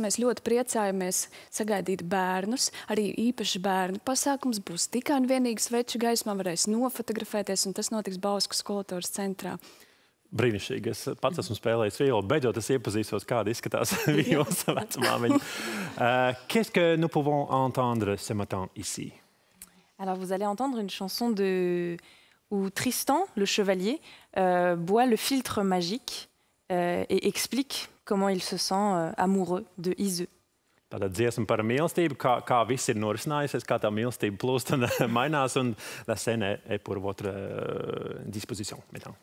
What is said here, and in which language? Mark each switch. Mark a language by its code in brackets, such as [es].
[lv] Mēs ļoti priecājamies sagaidīt bērnus. Arī īpaši bērnu pasākums būs tikai un vienīgi sveču gaismā. Varēs nofotografēties, un tas notiks Bauskas kultūras centrā. Brīnišķīgi, es pats esmu spēlējis vijolu, beidzot es iepazīstos, kāda izskatās vijoles vecmāmiņa. [fr] Qu'est-ce que nous pouvons entendre ce matin ici? Alors vous allez entendre une chanson de où Tristan, le chevalier, boit le filtre magique et explique comment il se sent amoureux de Iseu. [lv] Tātad dziesma par mīlestību, kā viss ir norisinājusies, kā tā mīlestība plūst un mainās un [fr] la scène est pour votre disposition maintenant.